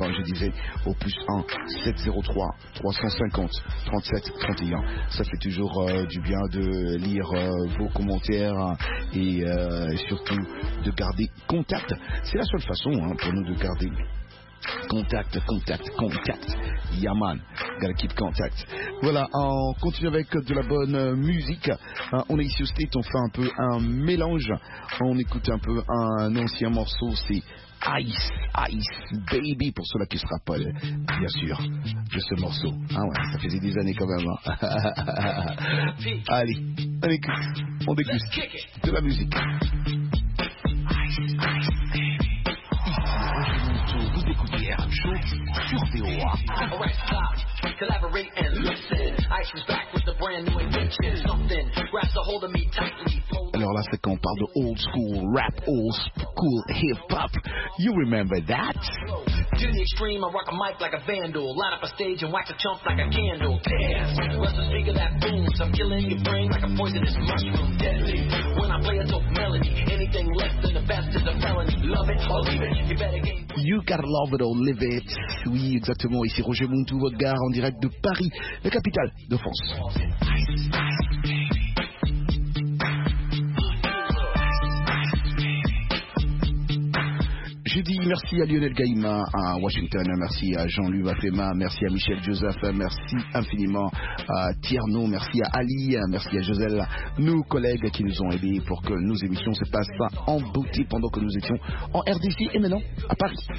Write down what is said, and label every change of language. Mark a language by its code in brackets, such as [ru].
[fr] Hein, je disais au plus 1 703 350 37 31. Ça fait toujours du bien de lire vos commentaires et surtout de garder contact. C'est la seule façon hein, pour nous de garder contact, contact, contact. [en] Yaman, gotta keep contact. [fr] Voilà, on continue avec de la bonne musique. On est ici au State, on fait un peu un mélange. On écoute un peu un ancien morceau, c'est Ice, Ice Baby, pour ceux-là qui se rappellent, bien sûr, de ce morceau. Ah ouais, ça faisait des années quand même. Hein. Allez, on écoute, on déguste de la musique. [en] Collaborate and listen. Ice was back with a brand new invention. Something grabs a hold of me tightly. [fr] Alors là, c'est quand on parle de old school rap, old school hip hop. [en] You remember that? To the extreme, I rock a mic like a vandal. Light up a stage and wax a chump like a candle. Dance. Rest the speaker that booms. I'm killing your brain like a poisonous mushroom. Deadly. When I play a dope melody, anything less than the best is a felony. Love it or leave it. You better gain. You gotta love it or live it. [fr] Oui, exactement. Ici Roger Muntou, votre gars, en direct de Paris, la capitale de France. Je dis merci à Lionel Gaïma à Washington, merci à Jean-Louis Bafema, merci à Michel Joseph, merci infiniment à Tierno, merci à Ali, merci à Joselle, nos collègues qui nous ont aidés pour que nos émissions se passent pas en beauté pendant que nous étions en RDC et maintenant à Paris.